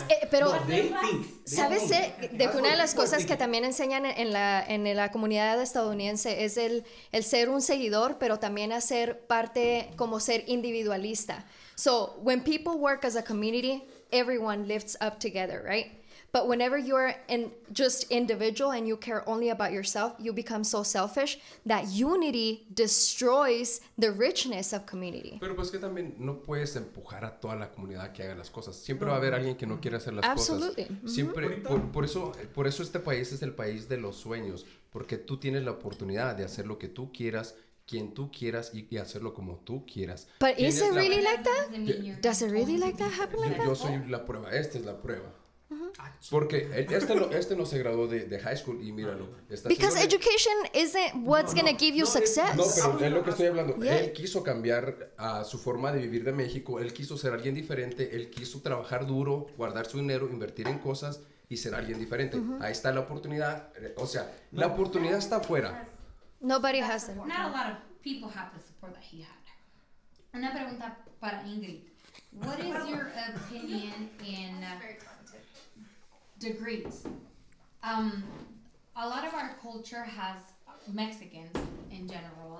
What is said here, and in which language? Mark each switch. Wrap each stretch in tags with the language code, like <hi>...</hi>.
<es>Pero sabes de que una de las cosas que también enseñan en la comunidad estadounidense es el ser un seguidor, pero también hacer parte como ser individualista.</es> <en>So when people work as a community, everyone lifts up together, right? But whenever you're just individual and you care only about yourself, you become so selfish that unity destroys the richness of community.</en> <es>Pero pues que también no puedes empujar a toda la comunidad que haga las cosas. Siempre va a haber alguien que no quiere hacer las</es> <en>Absolutely.</en> <es>Cosas. Siempre, mm-hmm. por eso este país es el país de los sueños, porque tú tienes la oportunidad de hacer lo que tú quieras, quien tú quieras y hacerlo como tú quieras.</es> <en>But is it really like that? Does it really like that happen like that?</en> <es>Yo soy la prueba, esta es la prueba. Porque este no se graduó de high school y míralo.</es> <en>Because education isn't what's going to give you success.</en> <es>No, pero es lo que estoy hablando. Yeah. Él quiso cambiar su forma de vivir de México. Él quiso ser alguien diferente. Él quiso trabajar duro, guardar su dinero, invertir en cosas y ser alguien diferente. Uh-huh. Ahí está la oportunidad. O sea, la oportunidad está afuera.</es> <en>Nobody has it. Not a lot of people have the support that he had. Una pregunta para Ingrid. What is your opinion in... degrees. A lot of our culture has Mexicans in general.</en>